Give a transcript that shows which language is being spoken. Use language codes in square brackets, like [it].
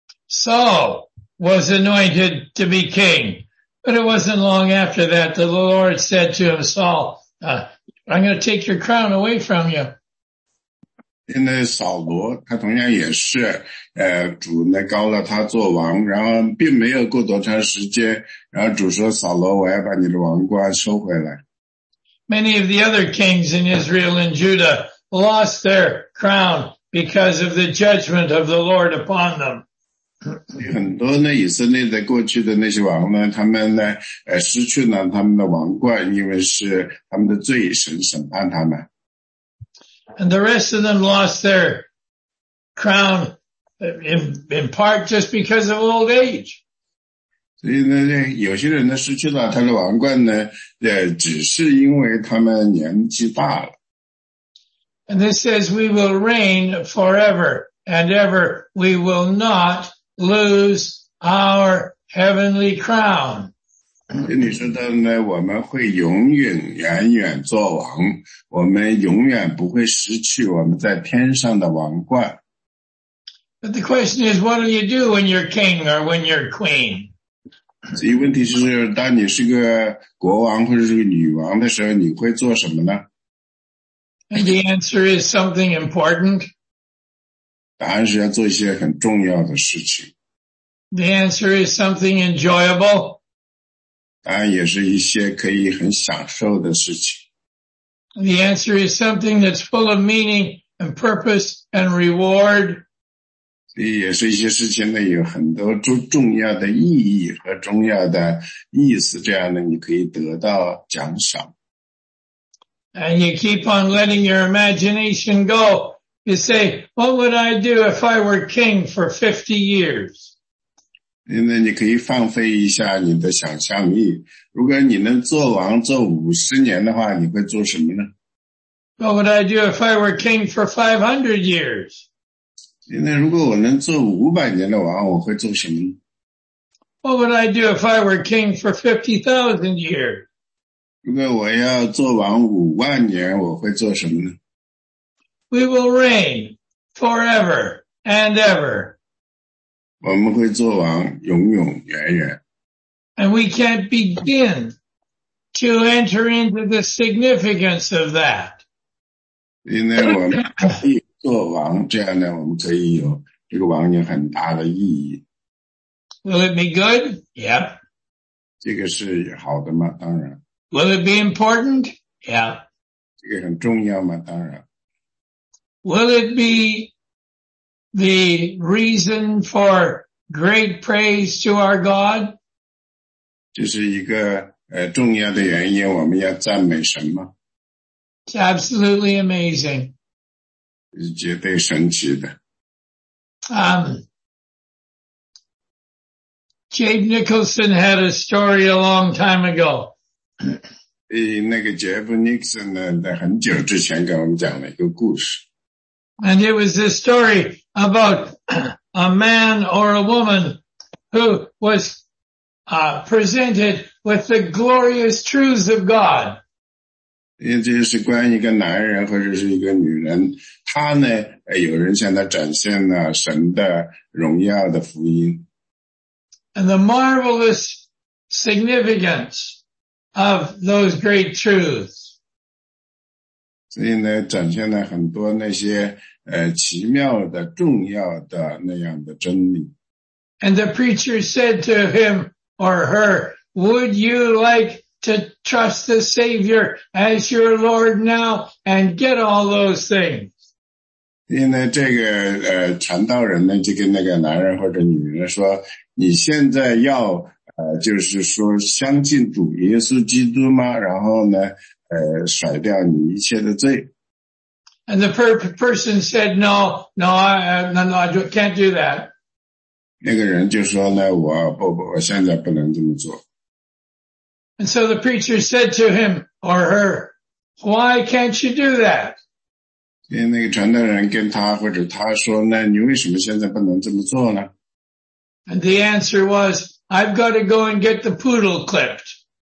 [en] Saul was anointed to be king, but it wasn't long after that the Lord said to him, Saul. I'm going to take your crown away from you. [zh] 因为扫罗他同样也是主呢高了他做王然后并没有过多长时间然后主说扫罗我要把你的王冠收回来。 [en] Many of the other kings in Israel and Judah lost their crown because of the judgment of the Lord upon them. [zh] 很多呢以色列的过去的那些王呢他们呢失去了他们的王冠因为是他们的罪神审判他们。 [en] And the rest of them lost their crown in part just because of old age. [zh] 所以呢有些人呢失去了他的王冠呢只是因为他们年纪大了。 [en] And this says we will reign forever and ever we will not lose our heavenly crown. [zh] 你说的呢我们会永永远远做王我们永远不会失去我们在天上的王冠。 [en] But the question is, what do you do when you're king or when you're queen? [zh] 所以问题是当你是个国王或者是个女王的时候你会做什么呢 [en] And the answer is something important. [zh] 答案是要做一些很重要的事情。 [en] The answer is something enjoyable. [zh] 答案也是一些可以很享受的事情。 [en] The answer is something that's full of meaning and purpose and reward. [zh] 所以也是一些事情呢有很多重要的意义和重要的意思这样呢你可以得到奖赏。 [en] And you keep on letting your imagination go. You say, what would I do if I were king for 50 years? [zh] 因为你可以放飞一下你的想象力。如果你能做王做50年的话你会做什么呢 [en] What would I do if I were king for 500 years? [zh] 因为如果我能做500年的王我会做什么呢 [en] What would I do if I were king for 50,000 years? [zh] 如果我要做王50,000年我会做什么呢 [en] We will reign forever and ever. [zh] 我们会做王永永远远。 [en] And we can't begin to enter into the significance of that. [zh] 因为我们可以做王这样呢我们可以有这个王有很大的意义。 [en] Will it be good? Yep. [zh] 这个是好的吗？当然。 [en] Will it be important? Yep. [zh] 这个很重要吗？当然。 [en] Will it be the reason for great praise to our God? [zh] 这是一个重要的原因，我们要赞美神吗？ [en] It's absolutely amazing. [zh] 是绝对神奇的。 [en] Jabe Nicholson had a story a long time ago. [zh] 那个 Jabe Nicholson 呢，在很久之前跟我们讲了一个故事。 [en] And it was this story about a man or a woman who was presented with the glorious truths of God. [zh] 这是关于一个男人或者是一个女人，他呢，有人向他展现了神的荣耀的福音。 [en] And the marvelous significance of those great truths. [zh] 所以呢，展现了很多那些奇妙的、重要的那样的真理。 [en] And the preacher said to him or her, "Would you like to trust the Savior as your Lord now and get all those things?" [zh] 所以呢，这个传道人呢，就跟那个男人或者女人说。你现在要就是说相信主耶稣基督吗？然后呢，甩掉你一切的罪。 [en] And the person said, "No, no, I can't do that." [zh] 那个人就说呢，我现在不能这么做。 [en] And so the preacher said to him or her, "Why can't you do that?" [zh] 所以那个传道人跟他或者他说呢，你为什么现在不能这么做呢？ [en] And the answer was, "I've got to go and get the poodle clipped."